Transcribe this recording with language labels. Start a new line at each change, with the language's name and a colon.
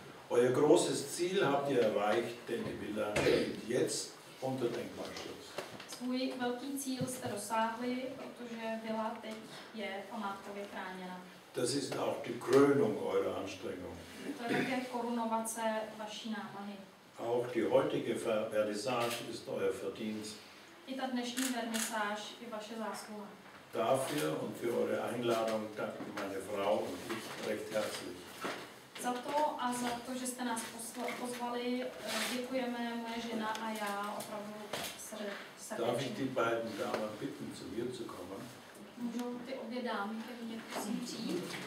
German: Euer großes Ziel habt ihr erreicht, denn die Villa steht jetzt unter Denkmalschutz.
Czech: Svůj velký cíl jste dosáhli, protože vila teď je památkově chráněna.
German: Das ist auch die Krönung eurer Anstrengung.
Czech: To je také korunovace vaší námahy.
German: Auch die heutige Vernissage ist euer Verdienst.
Czech: I ta dnešní vernisáž je vaše zásluha.
German: Dafür und für eure Einladung danken meine Frau und ich recht herzlich.
Czech: Za to a za to, že jste nás pozvali, děkujeme moje žena a já opravdu srdečně.
German: Darf ich die beiden Damen bitten, zu mir zu kommen?
Czech: Můžou ty obě dámy ke mně prosím přijít?